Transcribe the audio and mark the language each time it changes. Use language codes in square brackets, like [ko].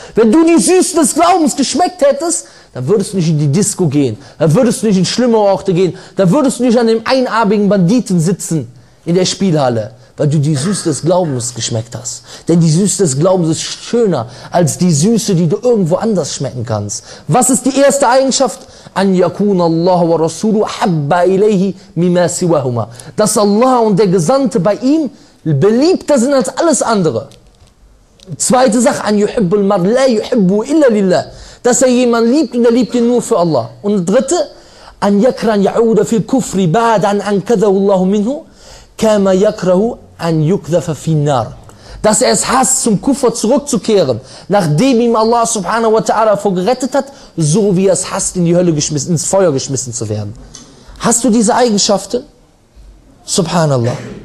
[de] Wenn du die Süße des Glaubens geschmeckt hättest, dann würdest du nicht in die Disco gehen, dann würdest du nicht in schlimme Orte gehen, dann würdest du nicht an dem einarmigen Banditen sitzen in der Spielhalle, weil du die Süße des Glaubens geschmeckt hast. Denn die Süße des Glaubens ist schöner als die Süße, die du irgendwo anders schmecken kannst. Was ist die erste Eigenschaft? [ar] أن يكون الله ورسوله أحب إليه مما سواهما. [de] Dass Allah und der Gesandte bei ihm beliebter sind als alles andere. Zweite Sache, [ar] أن يحب المرء لا يحبه إلا لله. [de] Dass er jemanden liebt und er liebt ihn nur für Allah. Und dritte, [ar] أن يكره أن يعود في الكفر بعد أن أنكذه الله منه كما يكره أن يكذف في النار. [de] Dass er es hasst, zum Kufr zurückzukehren, nachdem ihm Allah subhanahu wa ta'ala vor gerettet hat, so wie er es hasst, in die Hölle geschmissen, ins Feuer geschmissen zu werden. Hast du diese Eigenschaften? Subhanallah.